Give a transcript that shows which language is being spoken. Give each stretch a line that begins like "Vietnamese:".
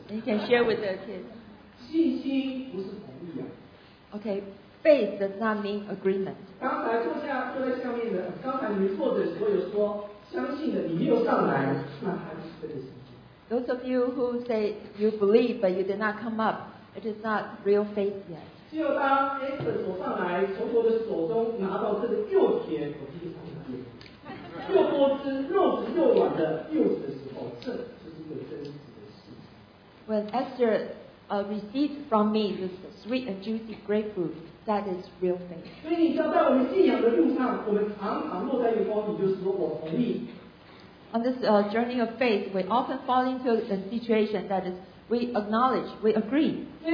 English: You can share with the kids.
Chinese: 信心不是同意啊。
English: Okay, faith does not mean agreement.
Chinese: 刚才坐在下面的，刚才你坐的时候有说相信的，你没有上来，那还是分心。
English: Those of you who say you believe but you did not come up, it is not real faith yet.
Chinese: 只有当 Esther 走上来，从我的手中拿到这个又甜，我第一次看见，又多汁、肉质又软的柚子的时候，这就是一个真实的事情。
English: When Esther received from me this sweet and juicy grapefruit, that is real faith.
Chinese: 所以你知道，在我们信仰的路上，我们常常落在一个光景，就是说我同意。
English: On this journey of faith, we often fall into a situation that is we acknowledge, we agree.